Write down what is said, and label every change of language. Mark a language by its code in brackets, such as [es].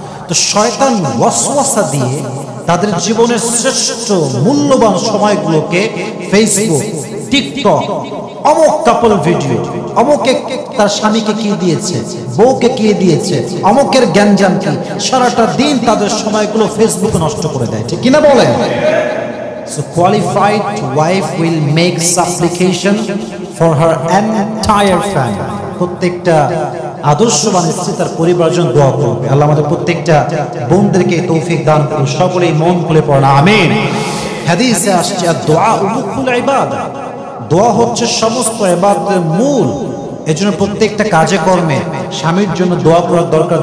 [bn] তো শয়তান ওয়াসওয়াসা দিয়ে তাদের জীবনের শ্রেষ্ঠ মূল্যবান সময়গুলোকে ফেসবুক, টিকটক, অমুক কাপল ভিডিও, অমুকে তার স্বামীকে কি দিয়েছে, বউকে কি দিয়েছে, অমুকের জ্ঞানজ্ঞান কি, সারাটা দিন তাদের সময়গুলো ফেসবুকে নষ্ট করে দেয়, ঠিক কিনা বলেন? [en] So qualified wife will make supplication for her entire family. [bn] প্রত্যেকটা আদর্শবান স্ত্রী তার পরিবারের জন্য দোয়া করবে। আল্লাহ আমাদের প্রত্যেকটা বোনদেরকে তৌফিক দান করুন, সকলেই মন খুলে পড়া, আমিন। হাদিসে আসছে দোয়া উমুকুল ইবাদা, দোয়া হচ্ছে সমস্ত ইবাদতের মূল। এজন্য প্রত্যেকটা কাজে কর্মে স্বামীর জন্য দোয়া করা দরকার।